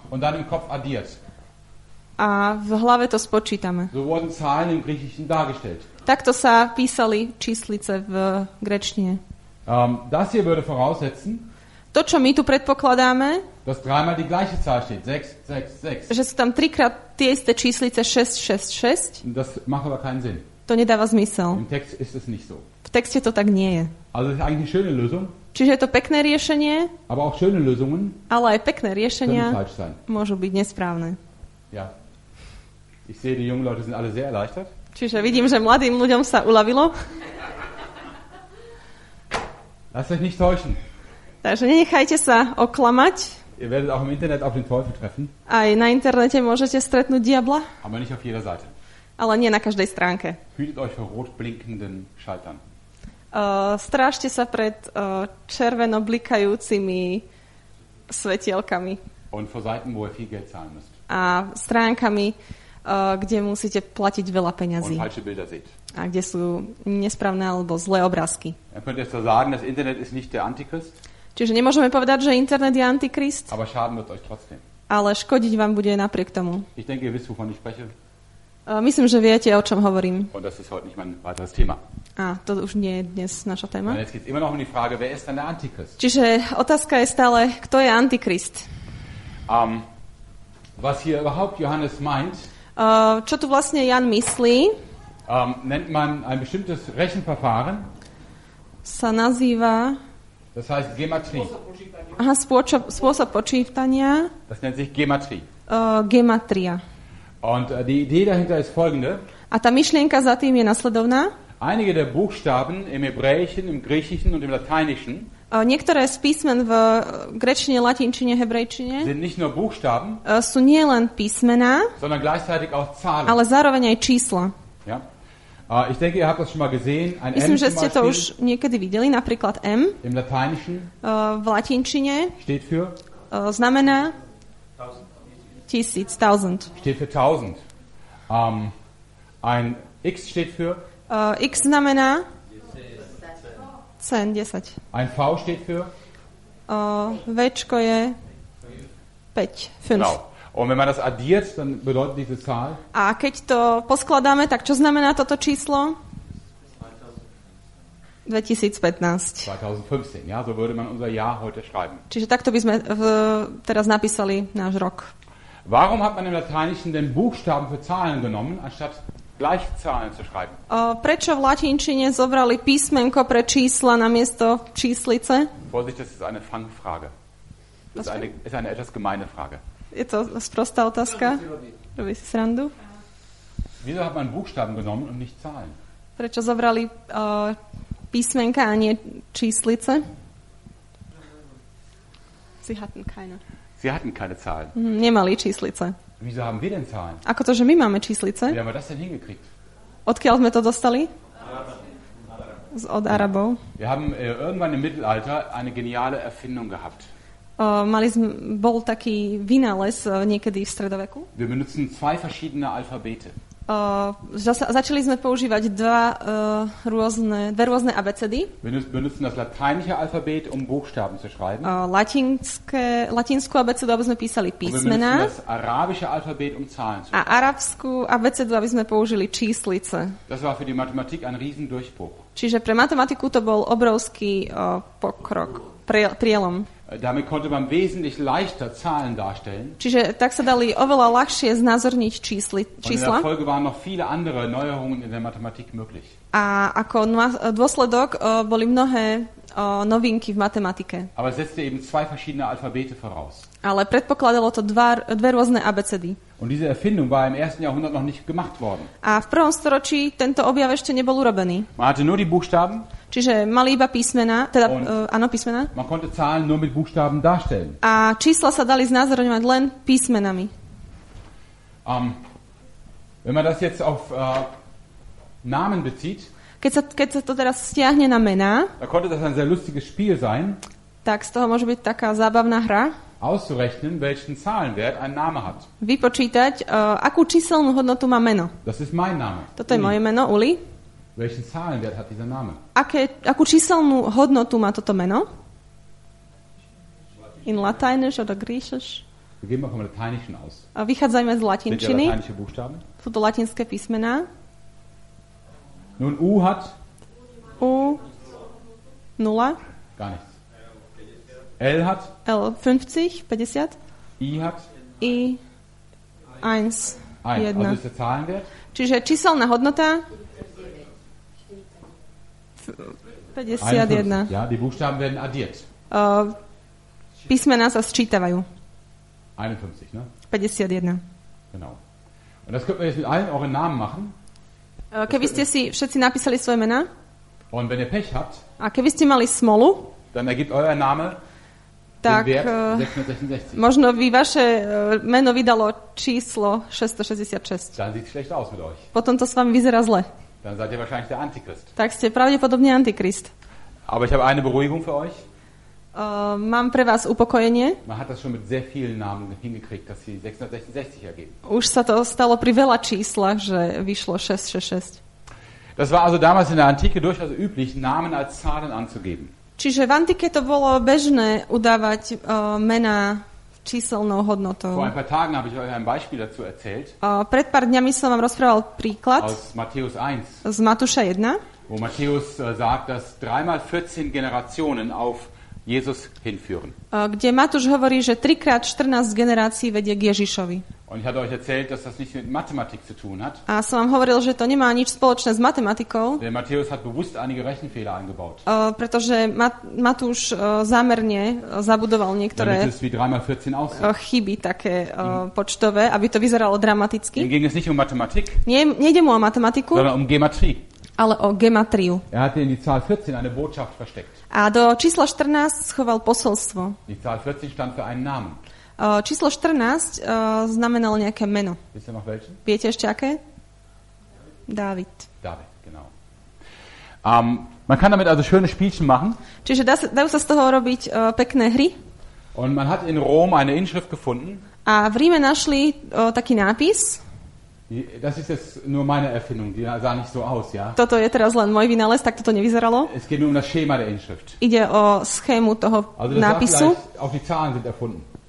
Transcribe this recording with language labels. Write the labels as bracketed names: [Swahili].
[German] Und dann im Kopf addiert. [Slovak] A v hlave to spočítame. [German] So wurden Zahlen im Griechischen dargestellt. [Slovak] Takto sa písali číslice v gréčtine. [German] Das hier würde voraussetzen. [Slovak] To, čo my tu predpokladáme, [German] dass dreimal die gleiche Zahl steht, 6, 6, 6. [Slovak] Že sú tam trikrát tie isté číslice 6, 6, 6. [German] Das macht aber keinen Sinn. [Slovak] To nedáva zmysel. [German] Im Text ist es nicht so. [Slovak] V texte to tak nie je. [German] Also das ist eigentlich eine schöne Lösung. [Slovak] Čiže je to pekné riešenie, [German] aber auch schöne Lösungen, [Slovak] ale aj pekné riešenia [German] können falsch sein. [Slovak] Môžu byť nesprávne. [German] Ja. Ich sehe, die jungen Leute sind alle sehr erleichtert. [Slovak] Čiže vidím, že mladým ľuďom sa uľavilo. [German] Lasst euch nicht täuschen. [Slovak] Takže nenechajte sa oklamať. [German] Ihr werdet auch im Internet auf den Teufel treffen. [Slovak] Aj na internete môžete stretnúť diabla. [German] Aber nicht auf jeder Seite. [Slovak] Ale nie na každej stránke. [German] Hütet euch vor rot blinkenden Schaltern. [Slovak] Strážte sa pred červeno blikajúcimi svetielkami. [German] Und vor Seiten, wo ihr viel Geld zahlen müsst. [Slovak] A stránkami, kde musíte platiť veľa peňazí. [German] Und falsche Bilder seht. [Slovak] A kde sú nesprávne alebo zlé obrázky. [German] Ihr könnt jetzt sagen, das Internet ist nicht der Antichrist. [Slovak] Čiže nemôžeme povedať, že internet je antikrist. [German] Aber schaden wird euch trotzdem. [Slovak] Ale škodiť vám bude napriek tomu. [German] Ich denke, ihr wisst, wovon ich spreche. [Slovak] Myslím, že viete, o čom hovorím. [German] Und das ist heute nicht mein weiteres Thema. [Slovak] A to už nie je dnes naša téma. [German] Und jetzt geht's immer noch um die Frage, wer ist denn der Antichrist? [Slovak] Čiže otázka je stále, kto je antikrist? [German] Was hier überhaupt Johannes meint? [Slovak] Čo tu vlastne Jan myslí? [German] Nennt man ein bestimmtes Rechenverfahren? [Slovak] Sa nazýva. [German] Das heißt Gematrie. [Slovak] Aha, spôsob počítania. [German] Das nennt sich Gematrie. [Slovak] Gematria. [German] Und die Idee dahinter ist folgende. [Slovak] A tá myšlienka za tým je nasledovná. [German] Einige der Buchstaben im Hebräischen, im Griechischen und im Lateinischen. [Slovak] Niektoré z písmen v gréčtine, latinčine, hebrejčine. [German] Sind nicht nur Buchstaben. [Slovak] Sú nie len písmená. [German] Sondern gleichzeitig auch Zahlen. [Slovak] Ale zároveň aj čísla. [German] Ja. Ich denke, ihr habt das schon mal gesehen. Ein [Slovak] Myslím, M že ste to už niekedy videli, napríklad M. [German] Im Lateinischen. [Slovak] V latinčine. [German] Steht für. [Slovak] Znamená. Tisíc, thousand. [German] Steht für thousand. Ein X steht für. [Slovak] X znamená. Cen, 10. [German] Ein V steht für. [Slovak] Včko je. 5, 5. [German] Genau. Und wenn man das addiert, dann bedeutet diese Zahl. [Slovak] A keď to poskladáme, tak čo znamená toto číslo? 2015. [German] 2015, ja, so würde man unser Jahr heute schreiben. [Slovak] Čiže takto by sme teraz napísali náš rok. [German] Warum hat man im Lateinischen den Buchstaben für Zahlen genommen, anstatt Gleichzahlen zu schreiben? [Slovak] Prečo v latinčine zobrali písmenko pre čísla namiesto číslice? [German] Vorsicht, das ist eine Fangfrage. Das ist eine etwas gemeine Frage. [Slovak] Je to sprostá otázka. Robí si srandu. [German] Wieso hat man Buchstaben genommen und nicht Zahlen? [Slovak] Prečo zobrali písmenka a nie číslice? Z [German] Sie hatten keine. Sie hatten keine Zahlen. [Slovak] Nemali číslice. [German] Wieso haben wir denn Zahlen? [Slovak] Ako to, že my máme číslice? [German] Wie haben wir das denn hingekriegt? [Slovak] Odkiaľ sme to dostali? Od Arabov. [German] Wir haben irgendwann im Mittelalter eine geniale Erfindung gehabt. [Slovak] Bol taký vynález niekedy v stredoveku. [German] Wir benutzen zwei verschiedene Alphabete. [Slovak] Začali sme používať dve rôzne abecedy. [German] Benutzen das lateinische Alphabet, um Buchstaben zu schreiben. [Slovak] Latinskú abecedu, aby sme písali písmená. [German] Benutzen das arabische Alphabet, um Zahlen zu schreiben. [Slovak] A arabskú abecedu, aby sme použili číslice. [German] Das war für die Mathematik ein Riesendurchbruch. [Slovak] Čiže pre matematiku to bol obrovský pokrok, prielom. [German] Damit konnte man wesentlich leichter Zahlen darstellen. [Slovak] Čiže tak sa dali oveľa ľahšie znázorniť čísla. [German] Und in der Folge waren noch viele andere Neuerungen in der Mathematik möglich. [Slovak] A ako dôsledok boli mnohé novinky v matematike. [German] Aber setzte eben zwei verschiedene Alphabete voraus. [Slovak] Ale predpokladalo to dve rôzne abecedy. [German] Und diese Erfindung war im ersten Jahrhundert noch nicht gemacht worden. [Slovak] A v prvom storočí tento objav ešte nebol urobený. [German] Man hatte nur die Buchstaben. [Slovak] Čiže mali iba písmena, teda áno, písmena. [German] Man konnte Zahlen nur mit Buchstaben darstellen. [Slovak] A čísla sa dali znázorňovať len písmenami. [German] Wenn man das jetzt auf Namen bezieht, [Slovak] keď sa to teraz stiahne na mená, [German] da konnte das ein sehr lustiges Spiel sein, [Slovak] tak z toho môže byť taká zábavná hra, [German] auszurechnen, welchen Zahlenwert ein Name hat. [Slovak] Vypočítať, akú číselnú hodnotu má meno. [German] Das ist mein Name. [Slovak] Toto je moje meno, Uli. [German] Welchen Zahlenwert hat dieser Name? [Slovak] Akú číselnú hodnotu má toto meno? [German] In lateinisch oder griechisch? Wir gehen mal vom Lateinischen aus. [Slovak] Vychádzajme z latinčiny. [German] Sind ja lateinische Buchstaben? [Slovak] Sú to latinské písmená. [German] Nun, U hat? [Slovak] U. Nula. [German] Gar nichts. L hat? [Slovak] L 50, 50. [German] I hat? [Slovak] I. 1. 1. [German] Also ist der Zahlenwert? [Slovak] Čiže číselná hodnota? 51. [German] Ja, die Buchstaben werden addiert. [Slovak] Písmená sa sčítavajú. [German] 51, ne? 51. Genau. Und das könnt ihr jetzt mit allen euren Namen machen. [Slovak] Keby ste si všetci napísali svoje mená. [German] Und wenn ihr Pech habt. [Slovak] A keby ste mali smolu. [German] Dann ergibt euer Name. [Slovak] Tak, [German] den Wert 666. [Slovak] Možno by vaše meno vydalo číslo 666. [German] Dann sieht's schlecht aus mit euch. [Slovak] Potom to s vami vyzerá zle. [German] Dann seid ihr wahrscheinlich der Antichrist. [Slovak] Tak ste pravdepodobne Antikrist. [German] Aber ich habe eine Beruhigung für euch. [Slovak] Mám pre vás upokojenie. [German] Man hat das schon mit sehr vielen Namen hingekriegt, dass sie 666 ergeben. [Slovak] Už sa to stalo pri veľa číslach, že vyšlo 666. [German] Das war also damals in der Antike durchaus üblich, Namen als Zahlen anzugeben. [Slovak] Čiže v antike to bolo bežné udávať mená číselnou hodnotou. [German] Vor ein paar Tagen habe ich euch ein Beispiel dazu erzählt. [Slovak] Pred pár dňami som vám rozprával príklad [German] aus Matthäus 1, [Slovak] z Matúša 1, [German] wo Matthäus sagt, dass 3x 14 Generationen auf Jesus hinführen. [Slovak] Kde Matúš hovorí, že 3x 14 generácií vedie k Ježišovi. [German] Und ich hatte euch erzählt, dass das nichts mit Mathematik zu tun hat. [Slovak] A som vám hovoril, že to nemá nič spoločné s matematikou. [German] Denn Matthäus hat bewusst einige Rechenfehler eingebaut. [Slovak] Pretože Matúš zámerne zabudoval niektoré. [German] Das ist wie 3x 14 aussieht. [Slovak] Chyby také počtové, aby to vyzeralo dramaticky. [German] Ging es nicht um Mathematik? [Slovak] Nejde mu o matematiku. [German] Sondern um Geometrie. [Slovak] Ale o gematriu. [German] Er hatte in die Zahl 14 eine Botschaft versteckt. [Slovak] A do čísla 14 schoval posolstvo. [German] Die Zahl 14 stand für einen Namen. [Slovak] Číslo 14 znamenalo nejaké meno. Viete ešte aké? Dávid. Dávid, [German] genau. Man kann damit also schöne Spielchen machen. [Slovak] Čiže dajú sa z toho robiť pekné hry. [German] Und man hat in Rom eine Inschrift gefunden. [Slovak] A v Ríme našli taký nápis. [German] Das ist jetzt nur meine Erfindung, die sah nicht so aus, ja. [Slovak] Toto je teraz len môj vynález, tak toto nevyzeralo. [German] Es geht nur um das Schema der Inschrift. [Slovak] Ide o schému toho [German] also, [Slovak] nápisu. [German] Also auch die Zahlen sind erfunden.